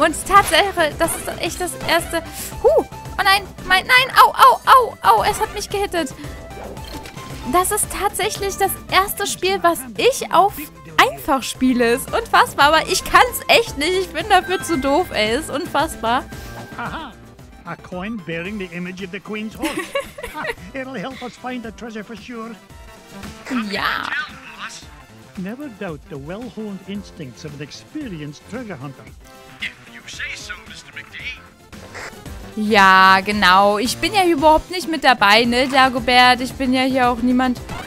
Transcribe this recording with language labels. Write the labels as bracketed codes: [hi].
[de] Und Tatsache, das ist echt das erste... Oh nein, au, es hat mich gehittet. Das ist tatsächlich das erste Spiel, was ich auf... einfach Spiele ist. Unfassbar, aber ich kann es echt nicht. Ich bin dafür zu doof, ey. Ist unfassbar. [en] Aha. A coin bearing the image of the Queen's horse. It'll help us find the treasure for sure. [de] Ja. [en] Never doubt the well-honed instincts of an experienced treasure hunter. If you say so, Mr. McDee. [de] Ja, genau. Ich bin ja überhaupt nicht mit dabei, ne, Dagobert? Ich bin ja hier auch niemand.